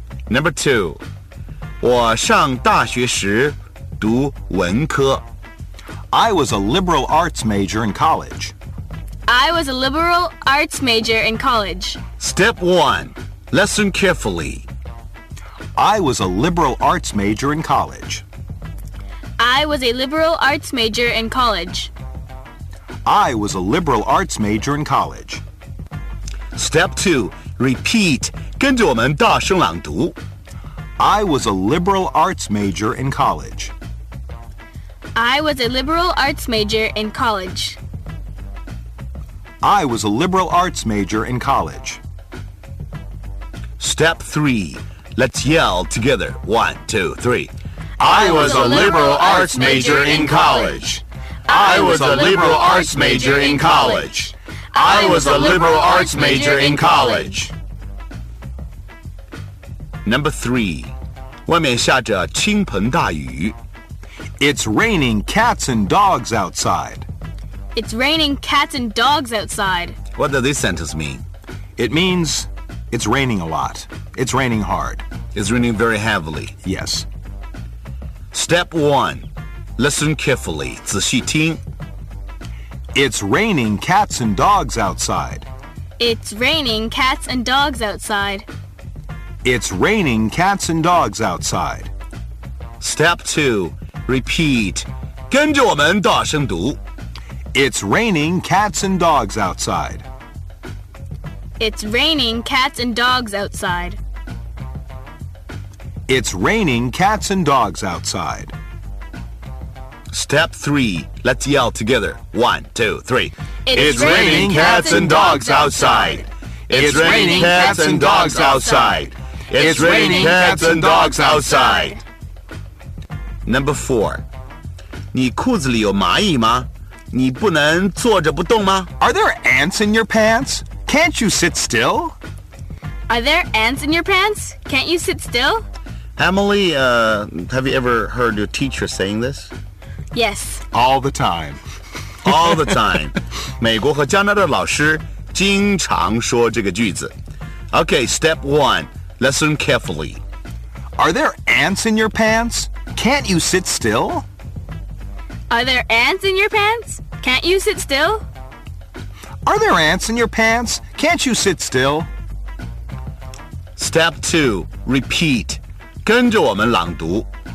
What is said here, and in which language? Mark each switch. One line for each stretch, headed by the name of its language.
English: Number two,
Chinese: 我上大学时读文科。
English: I was a liberal arts major in college. I was a liberal arts major in college. Step one, listen carefully. I was a liberal arts major in college. I was a liberal arts major in college. I was a liberal arts major in college. Step two, repeat.
Chinese: 跟着我们大声朗读。
English: I was a liberal arts major in college. I was a liberal arts major in college. I was a liberal arts major in college. Step three, let's yell together. One, two, three. I was a liberal arts major in college. I was a liberal arts major in college. I was a liberal arts major in college. Number three,
Chinese: 外面下着倾盆大雨。
English: It's raining cats and dogs outside. It's raining cats and dogs outside. What does this sentence mean? It means it's raining a lot. It's raining hard. It's raining very heavily. Yes. Step one, listen carefully.
Chinese: 仔细听。
English: It's raining cats and dogs outside. It's raining cats and dogs outside. It's raining cats and dogs outside. Step two, repeat.
Chinese: 跟着我们大声读。
English: It's raining cats and dogs outside. It's raining cats and dogs outside. It's raining cats and dogs outside. Step three, let's yell together. One, two, three. It's raining cats and dogs outside. It's raining cats and dogs outside. It's raining cats and dogs outside. Number four,
Chinese: 你裤子里有蚂蚁吗？你不能坐着不动吗?
English: Are there ants in your pants? Can't you sit still? Are there ants in your pants? Can't you sit still? Emily, have you ever heard your teacher saying this? Yes. All the time. All the time.
Chinese: 美国和加拿大的老师经常说这个句子。
English: Okay, step one. Listen carefully. Are there ants in your pants? Can't you sit still? Are there ants in your pants? Can't you sit still? Are there ants in your pants? Can't you sit still? Step two, repeat.
Chinese: 跟着我们朗读。